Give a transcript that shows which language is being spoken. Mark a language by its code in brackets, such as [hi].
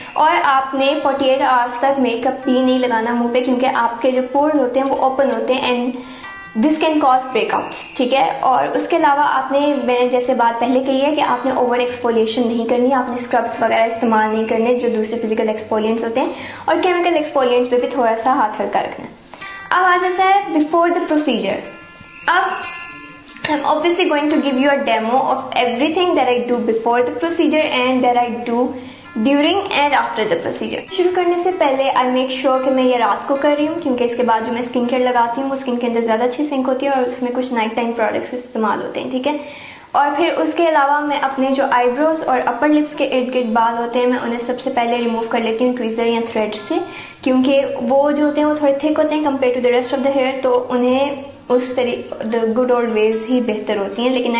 [hi] और आपने 48 आवर्स तक मेकअप भी नहीं लगाना मुंह पे क्योंकि आपके जो पोर्स होते हैं वो ओपन होते हैं [en] and this can cause breakouts, [hi] ठीक है? और उसके अलावा आपने, मैंने जैसे बात पहले कही है कि आपने ओवर एक्सफोलिएशन नहीं करनी, आपने स्क्रब्स वगैरह इस्तेमाल नहीं करने जो दूसरे फिजिकल एक्सफोलिएंट्स होते हैं, और केमिकल एक्सफोलिएंट्स पे भी थोड़ा सा हाथ हल्का रखना. अब आ जाता है [en] Before the procedure. अब I'm obviously going to give you a demo of everything that I do before the procedure and that I do during and after the procedure. [hi] शुरू करने से पहले [en] I make sure [hi] कि मैं ये रात को कर रही हूँ क्योंकि इसके बाद जो मैं स्किन केयर लगाती हूँ वो स्किन के अंदर ज़्यादा अच्छी सिंक होती है और उसमें कुछ नाइट टाइम प्रोडक्ट्स इस्तेमाल होते हैं, ठीक है? और फिर उसके अलावा मैं अपने जो आईब्रोज और अपर लिप्स के इर्द गिर्द बाल होते हैं मैं उन्हें सबसे पहले रिमूव कर लेती हूँ ट्वीज़र या थ्रेड से क्योंकि वो जो होते हैं वो थोड़े थिक होते हैं [en] compare to the rest of the hair, [hi] तो उन्हें उस तरीके [en] the good old ways [hi] ही बेहतर होती हैं.